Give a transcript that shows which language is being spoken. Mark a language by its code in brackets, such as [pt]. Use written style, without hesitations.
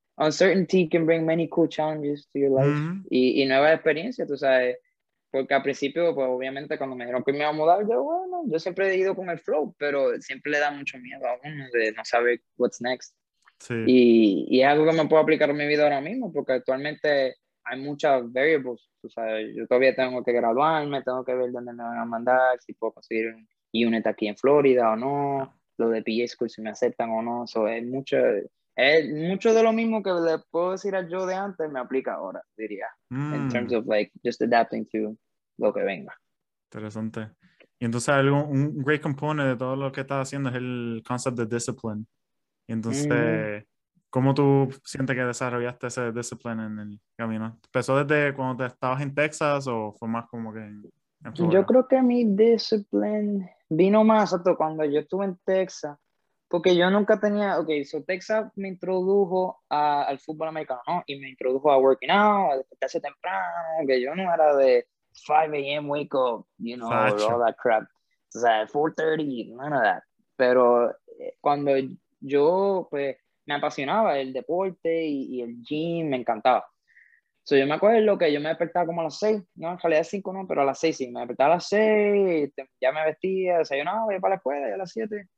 [en] Uncertainty can bring many cool challenges to your life. [es] Mm-hmm. Y nuevas experiencias, tú sabes. Porque al principio, pues obviamente, cuando me dijeron que me iba a mudar, yo, bueno, yo siempre he ido con el flow, pero siempre le da mucho miedo a uno de no saber [en] what's next. [es] Sí. Y es algo que me puedo aplicar en mi vida ahora mismo, porque actualmente hay muchas variables. O sea, yo todavía tengo que graduarme, tengo que ver dónde me van a mandar, si puedo conseguir un unit aquí en Florida o no, lo de PA School, si me aceptan o no. Eso es mucho de lo mismo que le puedo decir al yo de antes, me aplica ahora, diría. Mm. [en] In terms of like, just adapting to [es] lo que venga. Interesante. Y entonces algo, un [en] great component [es] de todo lo que estás haciendo es el concept de discipline. Y entonces, ¿cómo tú sientes que desarrollaste ese discipline en el camino? ¿Empezó desde cuando te estabas en Texas o fue más como que en Florida? Yo creo que mi discipline vino más hasta cuando yo estuve en Texas. Porque yo nunca tenía, okay, so Texas me introdujo al fútbol americano, ¿no? Y me introdujo a [en] working out, [es] a despertarse temprano, que yo no era de 5 a.m. [en] wake up, you know, or all that crap. O sea, 4:30, none of that. [es] Pero cuando yo, pues, me apasionaba el deporte y el gym, me encantaba. So yo me acuerdo que yo me despertaba como a las 6, no, en realidad 5 no, pero a las 6 sí, me despertaba a las 6, ya me vestía, desayunaba, iba para la escuela y a las 7.